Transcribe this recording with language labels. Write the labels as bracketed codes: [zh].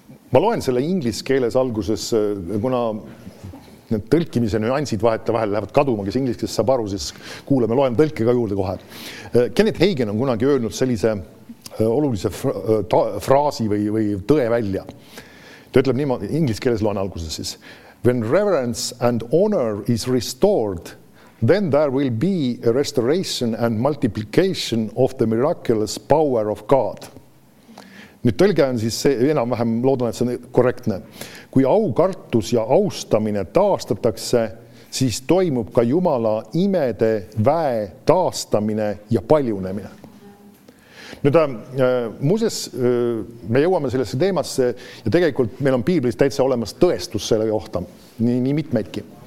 [et] Ma loen selle ingliskeeles alguses, kuna need tõlkimise nüansid vaheta vahel lähevad kaduma, kes ingliskeeles saab aru, siis kuuleme, loen tõlke ka juurde kohe. Kenneth Hagin on kunagi öelnud sellise olulise fraasi või tõe välja. Ta ütleb niimoodi, ingliskeeles loen alguses siis. [en] When reverence and honor is restored, then there will be a restoration and multiplication of the miraculous power of God. [et] Nüüd tõlge on siis see, enam vähem loodan, et see on korrektne. Kui aukartus ja austamine taastatakse, siis toimub ka Jumala imede väe taastamine ja paljunemine. Nüüd muuses me jõuame sellesse teemasse ja tegelikult meil on piiblis täitsa olemas tõestus selle kohta, nii mitmeidki.